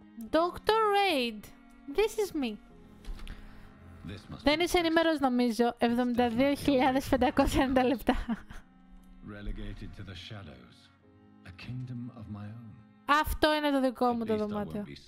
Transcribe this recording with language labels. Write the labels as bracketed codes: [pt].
[en] Dr. Raid. This is me. This must [el] δεν είσαι ενημέρως, νομίζω. 72.590 λεπτά. [en] Relegated to the shadows. A kingdom of my own. [el] Αυτό είναι το δικό μου το δωμάτιο.